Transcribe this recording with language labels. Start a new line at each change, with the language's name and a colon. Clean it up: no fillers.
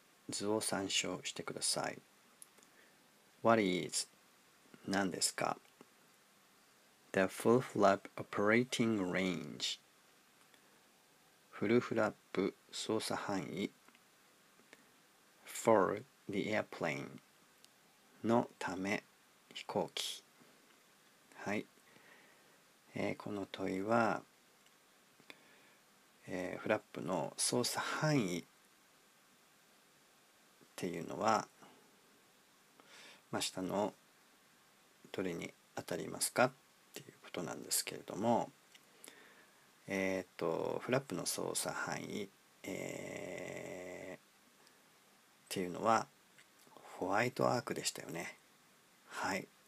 Japanese: 図を参照してください。
English: What is
Japanese: 何ですか?
English: The full flap operating range.
Japanese: フルフラップ操作範囲。
English: For the airplane.
Japanese: のため飛行機。はい。この問いは、フラップの操作範囲っていうのは、下のどれに当たりますかっていうことなんですけれども、フラップの操作範囲、っていうのはホワイトアークでしたよね。はい。